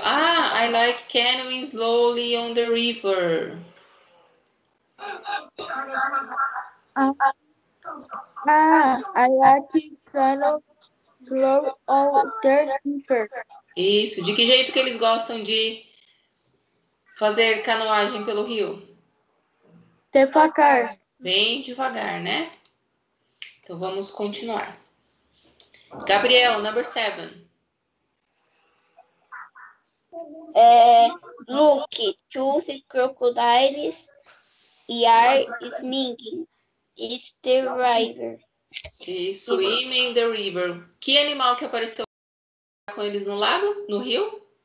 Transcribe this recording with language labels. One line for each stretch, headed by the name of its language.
English: Ah, I like canoeing slowly on the river. I like canoeing slow on the river.
Portuguese: Isso. De que jeito que eles gostam de fazer canoagem pelo rio? Devagar. Bem devagar, né? Então, vamos continuar.
English: Gabriel, number seven. Look, choose crocodiles e are swimming. It's the river.
Portuguese: Isso,
English: swimming the river.
Portuguese: Que animal que apareceu com eles no lago, no rio?